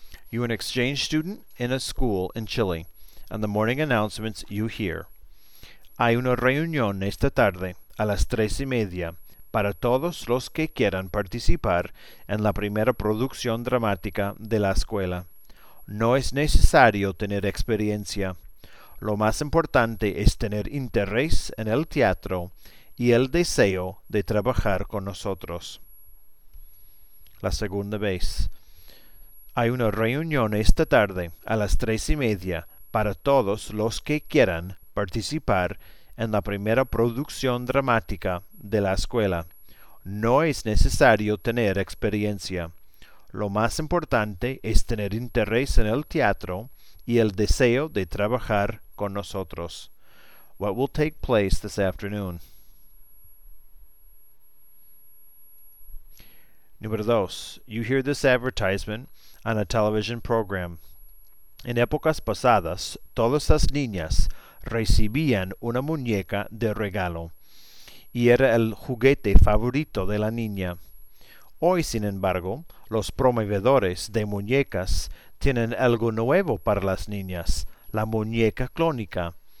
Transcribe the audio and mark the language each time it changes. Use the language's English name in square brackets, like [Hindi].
[English] You're an exchange student in a school in Chile, and the morning announcements you hear. [Spanish] Hay una reunión esta tarde a las 3:30 para todos los que quieran participar en la primera producción dramática de la escuela. No es necesario tener experiencia. Lo más importante es tener interés en el teatro y el deseo de trabajar con nosotros. La segunda vez. Hay una reunión esta tarde a las 3:30 para todos los que quieran participar en la primera producción dramática de la escuela. No es necesario tener experiencia. Lo más importante es tener interés en el teatro y el deseo de trabajar con nosotros. [English] What will take place this afternoon? [Spanish] Número 2. [English] You hear this advertisement on a television program. [Spanish] En épocas pasadas, todas las niñas recibían una muñeca de regalo y era el juguete favorito de la niña. Hoy, sin embargo, los promovedores de muñecas tienen algo nuevo para las niñas, la muñeca clónica.